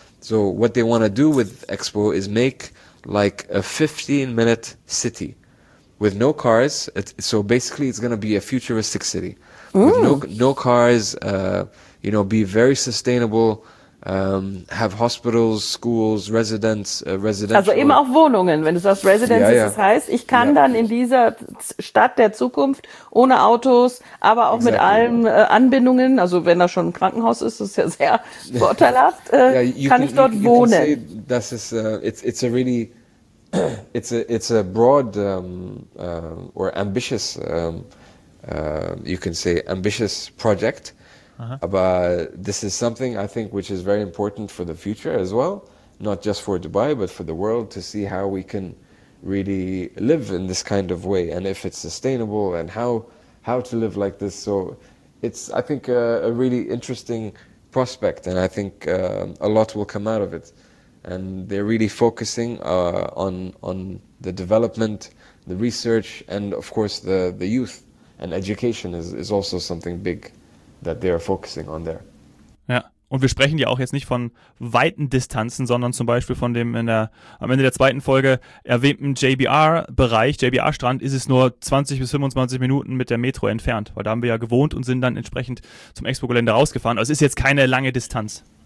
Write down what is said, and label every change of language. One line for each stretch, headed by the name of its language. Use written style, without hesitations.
English: So what they want to do with Expo is make like a 15-minute city with no cars. So basically, it's going to be a futuristic city with no cars. You know, be very sustainable. Have hospitals, schools, residential.
German: Also eben auch Wohnungen, wenn du sagst Residences, das heißt, ich kann dann in dieser Stadt der Zukunft ohne Autos, aber auch mit allen Anbindungen, also wenn da schon ein Krankenhaus ist, das ist ja sehr vorteilhaft, wohnen. Das ist,
English: it's a really, it's a broad or ambitious, you can say ambitious project. But this is something I think which is very important for the future as well, not just for Dubai, but for the world to see how we can really live in this kind of way and if it's sustainable and how to live like this. So it's, I think, a really interesting prospect and I think a lot will come out of it. And they're really focusing on the development, the research and, of course, the youth and education is also something big. That they are focusing on there.
German: Ja, und wir sprechen ja auch jetzt nicht von weiten Distanzen, sondern zum Beispiel von dem am Ende der zweiten Folge erwähnten JBR-Bereich, JBR-Strand, ist es nur 20 bis 25 Minuten mit der Metro entfernt, weil da haben wir ja gewohnt und sind dann entsprechend zum Expo-Gelände rausgefahren. Also es ist jetzt keine lange Distanz.